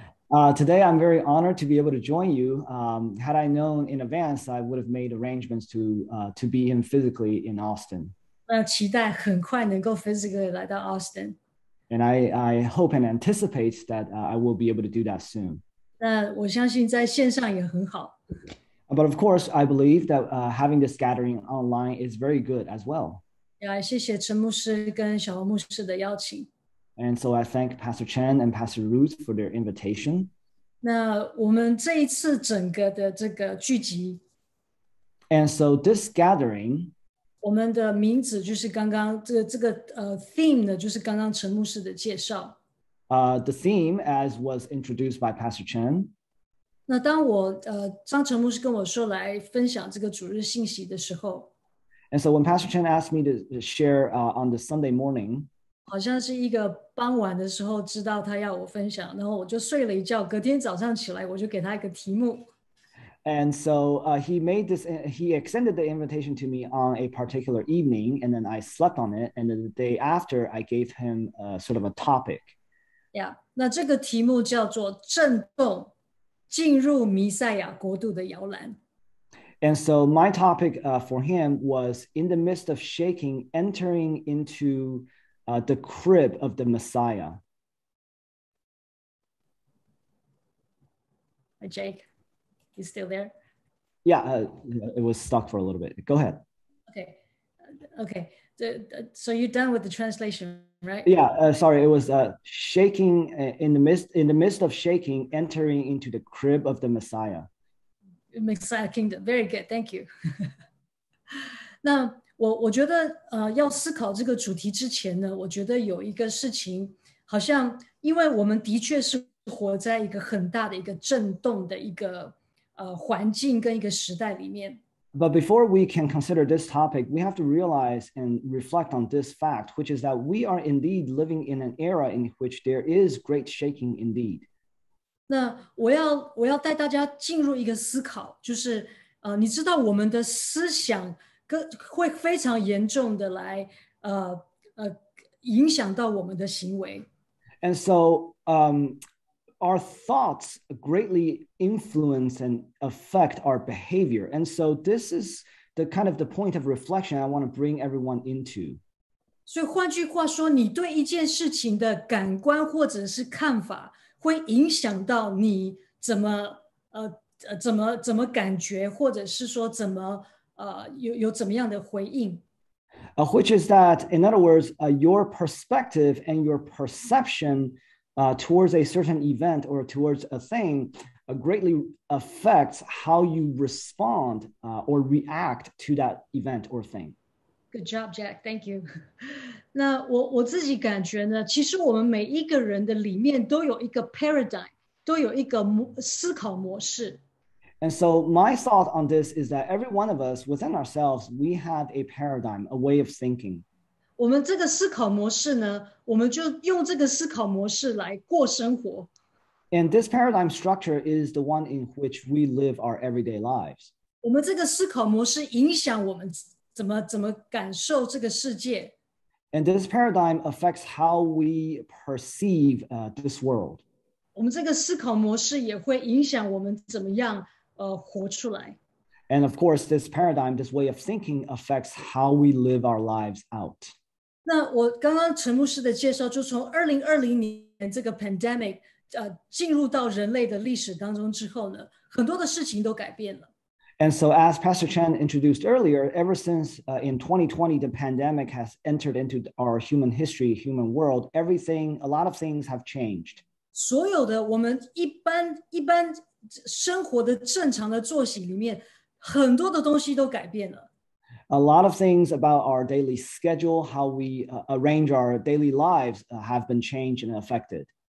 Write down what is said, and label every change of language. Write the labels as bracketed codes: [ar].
[en] Today I'm very honored to be able to join you. Had I known in advance, I would have made arrangements to be in physically in Austin. [zh] 期待很快能够 physically 来到 Austin. [en] And I hope and anticipate that I will be able to do that soon. [zh] 那我相信在线上也很好。 [en] But of course, I believe that having this gathering online is very good as well. [zh] Yeah, 谢谢陈牧师跟小红牧师的邀请。 [en] And so I thank Pastor Chen and Pastor Ruth for their invitation. [zh] 那我们这一次整个的这个聚集。 [en] And so this gathering. [zh] 我们的名字就是刚刚这个theme 呢，就是刚刚陈牧师的介绍。 [en] The theme, as was introduced by Pastor Chen. [zh] 那当我张成牧师跟我说来分享这个主日信息的时候 [en] ，And so when Pastor Chen asked me to share on the Sunday morning, [zh] 好像是一个傍晚的时候知道他要我分享，然后我就睡了一觉，隔天早上起来我就给他一个题目。 [en] And so he extended the invitation to me on a particular evening, and then I slept on it, and then the day after I gave him sort of a topic. [zh] Yeah, 那这个题目叫做震动进入弥赛亚国度的摇篮。 [en] And so my topic for him was in the midst of shaking, entering into the crib of the Messiah. Hi, Jake, you still there? Yeah, it was stuck for a little bit. Go ahead. Okay. So you're done with the translation, right? Yeah, sorry, it was shaking in the midst of shaking, entering into the crib of the Messiah. Messiah kingdom, very good, thank you. [zh] 那我觉得要思考这个主题之前呢，我觉得有一个事情，好像因为我们的确是活在一个很大的一个震动的一个环境跟一个时代里面。 [en] But before we can consider this topic, we have to realize and reflect on this fact, which is that we are indeed living in an era in which there is great shaking indeed. [zh] 那我要带大家进入一个思考，就是你知道我们的思想会非常严重的来影响到我们的行为。 [en] And so, our thoughts greatly influence and affect our behavior. And so this is the kind of the point of reflection I want to bring everyone into. [zh] 所以换句话说，你对一件事情的感官或者是看法会影响到你怎么感觉，或者是说怎么有怎么样的回应。 [en] which is that, in other words, your perspective and your perception towards a certain event or towards a thing greatly affects how you respond or react to that event or thing. Good job, Jack. Thank you. [zh] 那我自己感觉呢，其实我们每一个人的里面都有一个 paradigm， 都有一个思考模式。 [en] And so my thought on this is that every one of us within ourselves, we have a paradigm, a way of thinking. [zh] 我们这个思考模式呢，我们就用这个思考模式来过生活。 [en] And this paradigm structure is the one in which we live our everyday lives. [zh] 我们这个思考模式影响我们怎么感受这个世界。 [en] And this paradigm affects how we perceive this world. [zh] 我们这个思考模式也会影响我们怎么样活出来。 [en] And of course, this paradigm, this way of thinking affects how we live our lives out. [zh] 那我刚刚陈牧师的介绍就从2020年这个 pandemic进入到人类的历史当中之后呢，很多的事情都改变了。 [en] And so as Pastor Chen introduced earlier, ever since in 2020, the pandemic has entered into our human history, human world, everything, a lot of things have changed. [zh] 所有的我们一般生活的正常的作息里面，很多的东西都改变了。 [en] A lot of things about our daily schedule, how we arrange our daily lives have been changed and affected.